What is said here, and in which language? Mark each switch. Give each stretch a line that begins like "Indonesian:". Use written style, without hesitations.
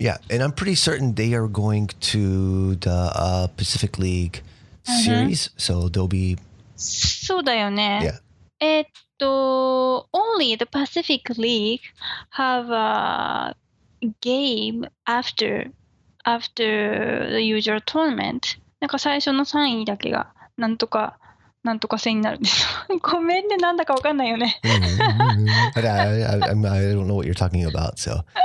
English: And I'm pretty certain they are going to the Pacific League series. So they'll be.
Japanese: そうだよね.
English: Yeah. Only the Pacific League have a game after the usual tournament.
Japanese: なんか最初の3位だけが。なんとかなんとか戦になるんですよ。ごめんね、なんだかわかんないよね。
English: I don't know what you're talking about, so.